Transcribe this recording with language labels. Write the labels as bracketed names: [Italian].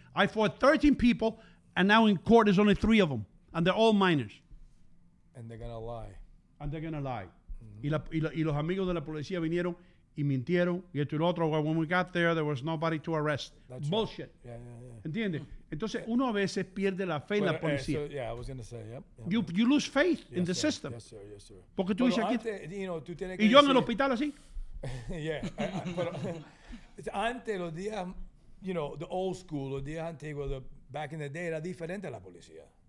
[English] I fought 13 people, and now in court there's only 3 of them, and they're all minors. And they're going to lie. And they're going to lie. Mm-hmm. [Spanish] Y los amigos de la policía vinieron y mintieron. Y esto y lo otro. [English] When we got there, there was nobody to arrest. That's bullshit. Right. Yeah, yeah, yeah. [Spanish] ¿Entiendes? Entonces, uno a veces pierde la fe en la policía. [English] So, yeah, I was going to say, yep. Yep. You lose faith yes, in the sir. System. Yes, sir, yes, sir. [Spanish] Porque tú dices aquí. Antes, [English] you know, [Spanish] tú tienes que y yo decir, en el hospital así. Yeah. pero antes, los días, you know, [English] the old school, [Spanish] los días antiguos, [English] the back in the day, [Spanish] era diferente a la policía.